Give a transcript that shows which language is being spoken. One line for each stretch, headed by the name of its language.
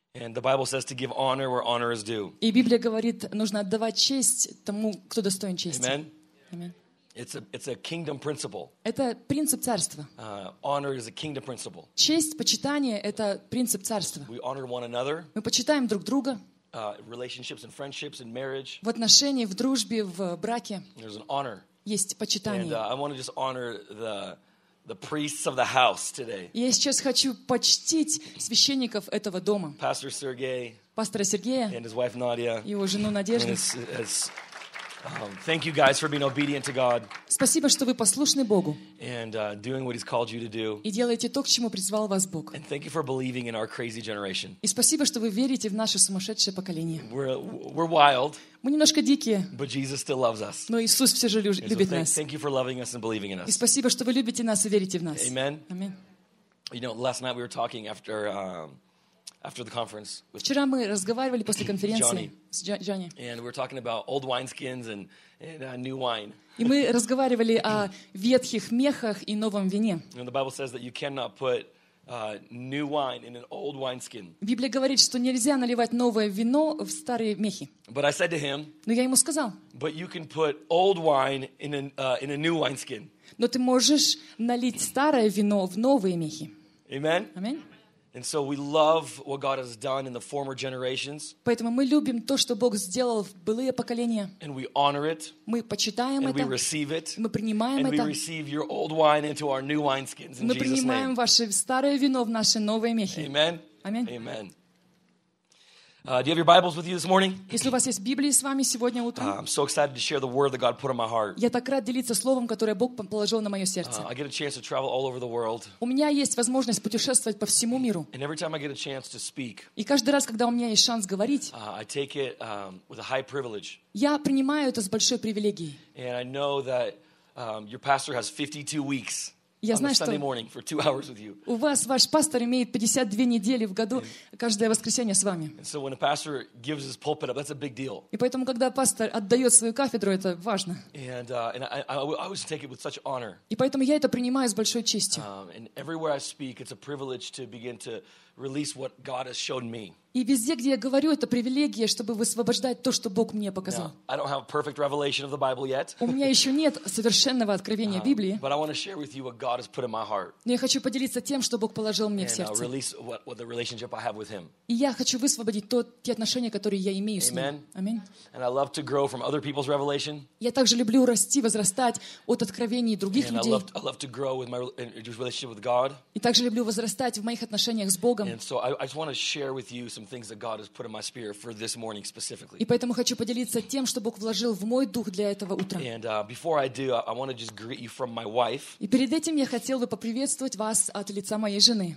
English: And the Bible says to give honor where honor is due.
Russian: И Библия говорит, нужно отдавать честь тому, кто достоин чести.
English: Amen. It's a kingdom principle.
Russian: Это принцип царства.
English: Honor is a kingdom principle.
Russian: Честь, почитание — это принцип царства.
English: We honor one another.
Russian: Мы почитаем друг друга.
English: Relationships and friendships and marriage.
Russian: В отношениях, в дружбе, в браке.
English: There's an honor.
Russian: Есть почитание.
English: And I want to just honor the priests of the house today.
Russian: Я сейчас хочу почтить священников этого дома.
English: Pastor Sergey.
Russian: Пастора Сергея.
English: And his wife Nadia.
Russian: И его жену Надежду.
English: Thank you guys for being obedient to God.
Russian: Спасибо, что вы послушны Богу.
English: And doing what He's called you to do.
Russian: И делаете то, к чему призвал вас Бог.
English: And thank you for believing in our crazy generation.
Russian: И спасибо, что вы верите в наше сумасшедшее поколение.
English: We're wild.
Russian: Мы немножко дикие.
English: But Jesus still loves us.
Russian: Но Иисус все же любит нас.
English: Thank you for loving us and believing in us.
Russian: И спасибо, что вы любите нас и верите в нас.
English: Amen. Amen. You know, last night we were talking after the conference with
Russian: вчера мы разговаривали после конференции с Джонни.
English: And we were talking about old wineskins and new wine.
Russian: И мы разговаривали о ветхих мехах и новом вине.
English: And the Bible says that you cannot put new wine in an old wineskin.
Russian: Библия говорит, что нельзя наливать новое вино в старые мехи.
English: But I said to him,
Russian: но я ему сказал,
English: but you can put old wine in a new wineskin.
Russian: Но ты можешь налить старое вино в новые мехи.
English: Amen. Amen. And so we love what God has done in the former generations.
Russian: Поэтому мы любим то, что Бог сделал в былые поколения.
English: And we honor it.
Russian: Мы почитаем это.
English: And we receive it.
Russian: Мы принимаем это.
English: And we receive your old wine into our new wineskins in Jesus' name.
Russian: Мы принимаем ваше старое вино в наши новые мехи.
English: Amen. Amen. Amen. Do you have your Bibles with you this morning?
Russian: Если у вас есть Библии с вами сегодня утром.
English: I'm so excited to share the word that God put on my heart.
Russian: Я так рад делиться словом, которое Бог положил на мое сердце.
English: I get a chance to travel all over the world.
Russian: У меня есть возможность путешествовать по всему миру.
English: And every time I get a chance to speak.
Russian: И каждый раз, когда у меня есть шанс говорить.
English: I take it with a high privilege.
Russian: Я принимаю это с большой привилегией.
English: And I know that your pastor has 52 weeks.
Russian: Я знаю, что
English: morning, for 2 hours with you.
Russian: У вас ваш пастор имеет 52 недели в году, and, каждое воскресенье с вами.
English: And so when a pastor gives his pulpit up, that's a big deal.
Russian: И поэтому, когда пастор отдает свою кафедру, это важно.
English: And I always take it with such honor.
Russian: И поэтому я это принимаю с большой честью.
English: And everywhere I speak, it's a privilege to begin to release what God has shown me.
Russian: И везде, где я говорю, это привилегия, чтобы высвобождать то, что Бог мне показал.
English: Now, I don't have a perfect revelation of the Bible yet.
Russian: У меня еще нет совершенного откровения Библии.
English: But I want to share with you what God has put in my heart.
Russian: Но я хочу поделиться тем, что Бог положил мне в сердце.
English: And release what the relationship I have with Him.
Russian: И я хочу высвободить те отношения, которые я имею с Ним.
English: Amen. Amen. And I love to grow from other people's revelation.
Russian: Я также люблю расти, возрастать от откровений других and людей.
English: I love to grow with my relationship with God.
Russian: И также люблю возрастать в моих отношениях с Богом.
English: And so I just want to share with you some things that God has put in my spirit for this morning specifically.
Russian: И поэтому хочу поделиться тем, что Бог вложил в мой дух для этого утра.
English: And before I do, I want to just greet you from my wife.
Russian: И перед этим я хотел бы поприветствовать вас от лица моей жены.